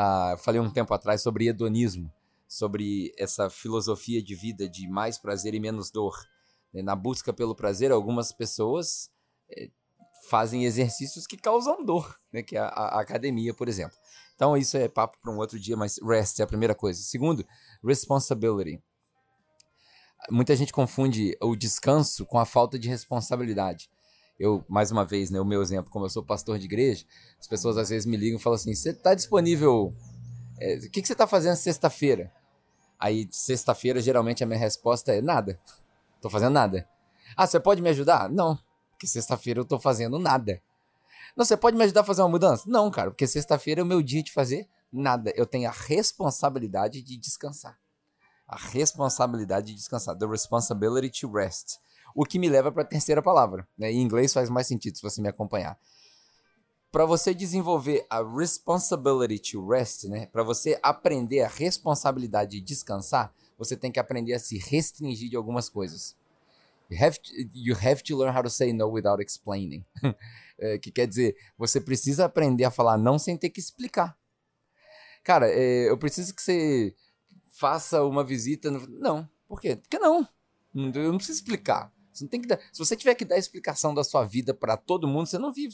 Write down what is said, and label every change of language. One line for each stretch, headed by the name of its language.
Portuguese: Eu falei um tempo atrás sobre hedonismo, sobre essa filosofia de vida de mais prazer e menos dor. Na busca pelo prazer, algumas pessoas fazem exercícios que causam dor, né? Que é a academia, por exemplo. Então isso é papo para um outro dia, mas rest é a primeira coisa. Segundo, responsibility. Muita gente confunde o descanso com a falta de responsabilidade. Eu, mais uma vez, né, o meu exemplo, como eu sou pastor de igreja, as pessoas às vezes me ligam e falam assim, você está disponível, o que você está fazendo sexta-feira? Aí, sexta-feira, geralmente a minha resposta é nada. Tô fazendo nada. Ah, você pode me ajudar? Não, porque sexta-feira eu tô fazendo nada. Não, você pode me ajudar a fazer uma mudança? Não, cara, porque sexta-feira é o meu dia de fazer nada. Eu tenho a responsabilidade de descansar. A responsabilidade de descansar.
English: The responsibility to rest.
Portuguese: O que me leva para a terceira palavra, né? Em inglês faz mais sentido se você me acompanhar. Para você desenvolver a
English: responsibility to rest,
Portuguese: né? Para você aprender a responsabilidade de descansar, você tem que aprender a se restringir de algumas coisas.
English: You have to learn how to say no without explaining.
Portuguese: Que quer dizer, você precisa aprender a falar não sem ter que explicar. Cara, eu preciso que você faça uma visita. Não. Por quê? Porque não. Eu não preciso explicar. Você não tem que dar. Se você tiver que dar explicação da sua vida para todo mundo, você não vive.